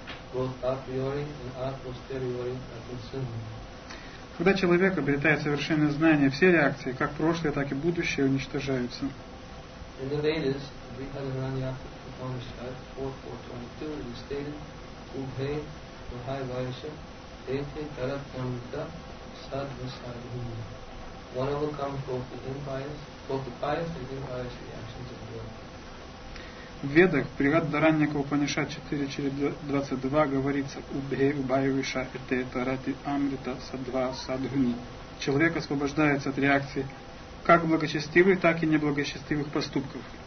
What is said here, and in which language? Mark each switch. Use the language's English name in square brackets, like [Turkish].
[English] Both a priori and a posteriori are consumed. [Russian] Когда человек обретает совершенное знание, все реакции, как прошлое, так и будущее, уничтожаются. [English] In the Vedas, Brihadaranyaka Upanishad 4.4.22, it is stated, [Sanskrit] Ubhe, Vahai Vaisha, Ete, Tarapamita, Sadvasadhumi. [English] One overcomes both the pious and impious reactions of the world. [Russian] В Ведах, Брихадаранья Упанишад 4.22 говорится [Sanskrit] «Убхей убаевиша эте тарати амрита садва садгуни». [Russian] Человек освобождается от реакции как благочестивых, так и неблагочестивых поступков.